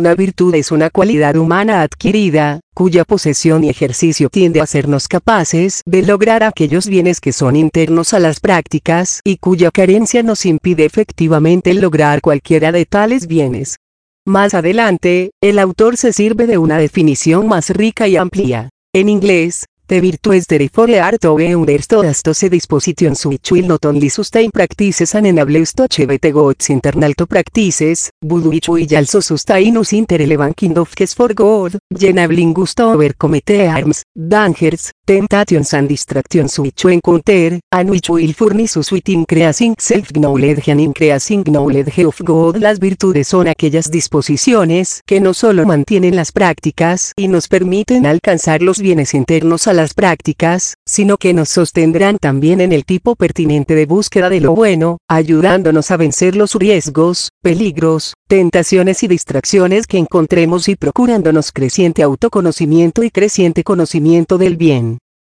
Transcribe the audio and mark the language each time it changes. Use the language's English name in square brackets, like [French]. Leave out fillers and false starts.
[Spanish] Una virtud es una cualidad humana adquirida, cuya posesión y ejercicio tiende a hacernos capaces de lograr aquellos bienes que son internos a las prácticas y cuya carencia nos impide efectivamente lograr cualquiera de tales bienes. Más adelante, el autor se sirve de una definición más rica y amplía. En inglés, [English] the virtue is therefore the art of being understood as to the dispositions which will not only sustain practices and enable us to achieve the goods internal to practices, but which will also sustain us in the relevant kind of quest for God, enabling us to overcome the harms, dangers, temptations and distractions which we encounter, and which will furnish us with increasing self-knowledge and increasing knowledge of God. [Spanish] Las virtudes son aquellas disposiciones que no solo mantienen las prácticas y nos permiten alcanzar los bienes internos a las prácticas, sino que nos sostendrán también en el tipo pertinente de búsqueda de lo bueno, ayudándonos a vencer los riesgos, peligros, tentaciones y distracciones que encontremos y procurándonos creciente autoconocimiento y creciente conocimiento del bien.